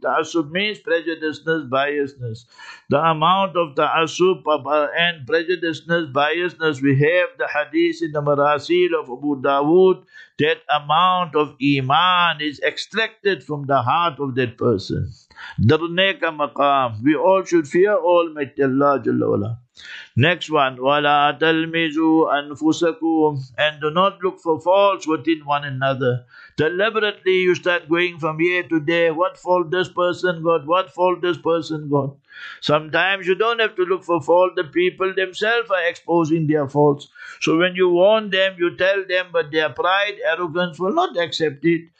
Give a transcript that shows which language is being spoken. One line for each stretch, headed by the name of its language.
English: Ta'assub means prejudiceness, biasness. The amount of ta'assub and prejudiceness, biasness, we have the hadith in the marasil of Abu Dawood. That amount of iman is extracted from the heart of that person.
Urdu: Darne ka maqam.
English: We all should fear Almighty Allah Jalla Wala. Next one,
Arabic: وَلَا تَلْمِزُوا أَنفُسَكُمْ.
English: And do not look for faults within one another. Deliberately you start going from here to there. What fault this person got? What fault this person got? Sometimes you don't have to look for fault. The people themselves are exposing their faults. So when you warn them, you tell them, but their pride, arrogance will not accept it.